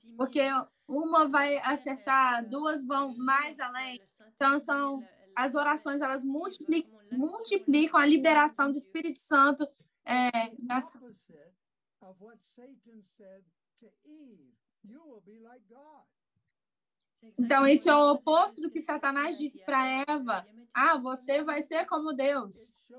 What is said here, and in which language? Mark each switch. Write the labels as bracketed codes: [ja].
[pt] Porque uma vai acertar, duas vão mais além. Então, são as orações, elas multiplicam a liberação do Espírito Santo. [en] Of what Satan said to Eve, you will be like God. [pt] Então, esse é o oposto do que Satanás disse para Eva. Ah, você vai ser como Deus.